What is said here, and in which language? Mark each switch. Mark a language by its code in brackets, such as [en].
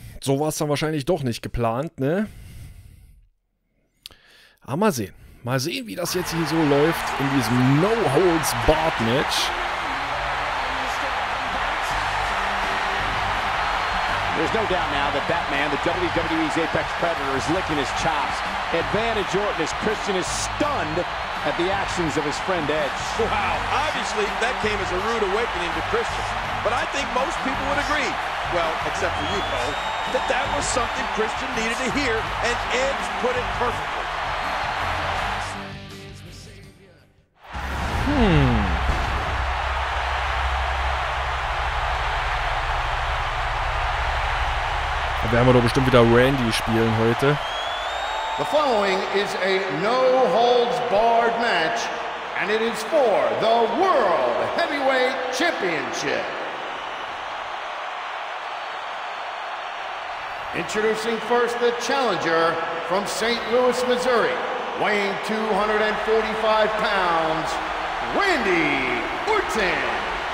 [de] So war es dann wahrscheinlich doch nicht geplant, ne? Aber mal sehen. Mal sehen, wie das jetzt hier so läuft in diesem No-Holds-Barred-Match. [en] There's no doubt now that Batman, the WWE's Apex Predator, is licking his chops. Advantage Orton as Christian is stunned at the actions of his friend Edge. Wow, obviously that came as a rude awakening to Christian. But I think most people would agree. Well, except for you, Bo, that was something Christian needed to hear, and Edge put it perfectly. [de] Da werden wir doch bestimmt wieder Randy spielen heute. [en] The following is a no-holds-barred match, and it is for the World Heavyweight Championship. Introducing first the challenger from St. Louis, Missouri, weighing 245 pounds, Randy Orton.